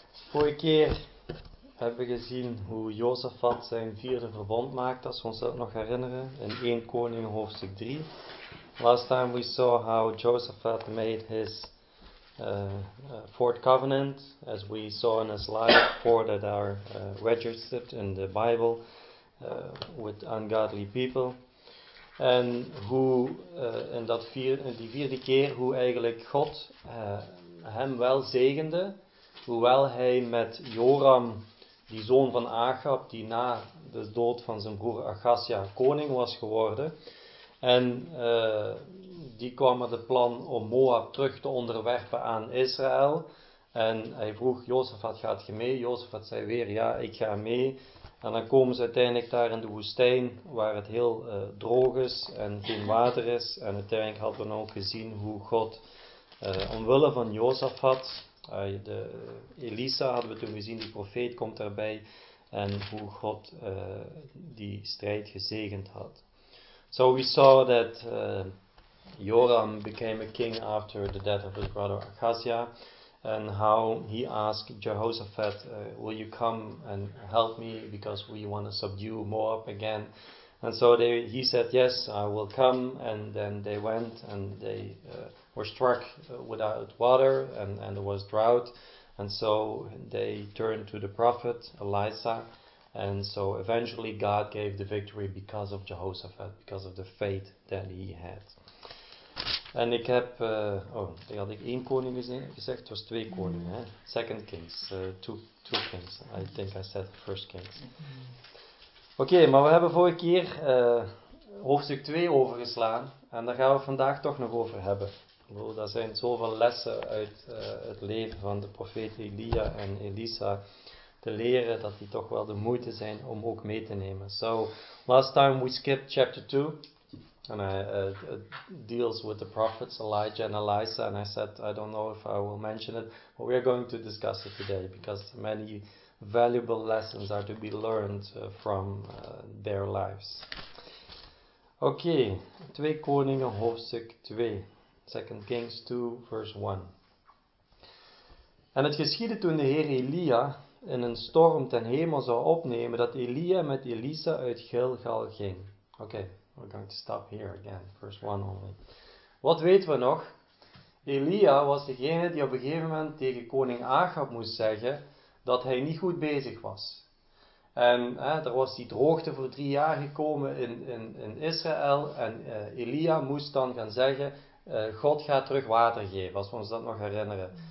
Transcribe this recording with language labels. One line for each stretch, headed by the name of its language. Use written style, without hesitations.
Dutch: Vorige keer hebben we gezien hoe Jozefat zijn vierde verbond maakt, als we ons dat nog herinneren, in 1 Koningen hoofdstuk 3.
English: Last time we saw how Jozefat made his fourth covenant, as we saw in his life, four that are registered in the Bible with ungodly people.
Dutch: En hoe in dat vier, in die vierde keer, hoe eigenlijk God hem wel zegende, hoewel hij met Joram, die zoon van Achab, die na de dood van zijn broer Achazia koning was geworden. En die kwam met het plan om Moab terug te onderwerpen aan Israël. En hij vroeg, Jozefat, gaat je mee? Jozefat zei weer, ja, ik ga mee. En dan komen ze uiteindelijk daar in de woestijn, waar het heel droog is en geen water is. En uiteindelijk hadden we ook gezien hoe God, omwille van Jozefat, Elisa hadden we toen gezien, die profeet komt daarbij, en hoe God die strijd gezegend had.
English: So we saw that Joram became a king after the death of his brother Achaziah, and how he asked Jehoshaphat, will you come and help me because we want to subdue Moab again? And so he said, yes, I will come. And then they went and they were struck without water, and there was drought. And so they turned to the prophet Elisha. And so eventually God gave the victory because of Jehoshaphat, because of the faith that he had.
Dutch: En ik heb, oh, ik had ik 1 koning gezegd, het was 2 koningen, hè?
English: Second Kings, two kings, I think I said First Kings.
Dutch: Oké, maar we hebben vorige keer hoofdstuk 2 overgeslaan, en daar gaan we vandaag toch nog over hebben. Bedoel, dat zijn zoveel lessen uit het leven van de profeet Elia en Elisa te leren, dat die toch wel de moeite zijn om ook mee te nemen.
English: So, last time we skipped chapter 2. And it deals with the prophets Elijah and Elisha, and I said I don't know if I will mention it, but we are going to discuss it today because many valuable lessons are to be learned from their lives.
Dutch: Okay, 2 Koningen hoofdstuk 2,
English: 2 Kings 2, verse 1.
Dutch: En het geschiedde toen de Heer Elia in een storm ten hemel zou opnemen, dat Elia met Elisa uit Gilgal ging.
English: Okay. We're going to stop here again, verse 1 only.
Dutch: Wat weten we nog? Elia was degene die op een gegeven moment tegen koning Achab moest zeggen dat hij niet goed bezig was. En er was die droogte voor 3 jaar gekomen in Israël. En Elia moest dan gaan zeggen, God gaat terug water geven, als we ons dat nog herinneren.